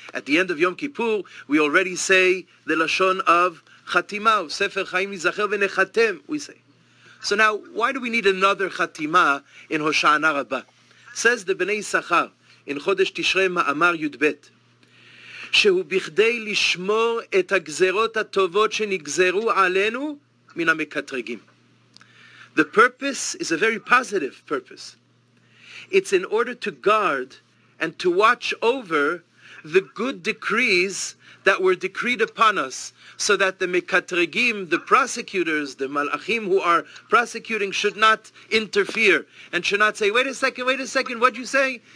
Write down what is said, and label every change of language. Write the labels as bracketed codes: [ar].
[en] At the end of Yom Kippur, we already say the Lashon of Chatima, of Sefer Chaim Yizachel V'Nechatem, we say. So now, why do we need another Chatima in Hoshana Rabbah? Says the B'nai Sachar, in Chodesh Tishrei Ma'amar Yudbet, [he] שהוא בכדי לשמור את הגזרות הטובות שנגזרו עלינו מן המקטרגים. [en] The purpose is a very positive purpose. It's in order to guard and to watch over the good decrees that were decreed upon us, so that the mekatregim, the prosecutors, the malachim who are prosecuting, should not interfere and should not say, wait a second, what'd you say?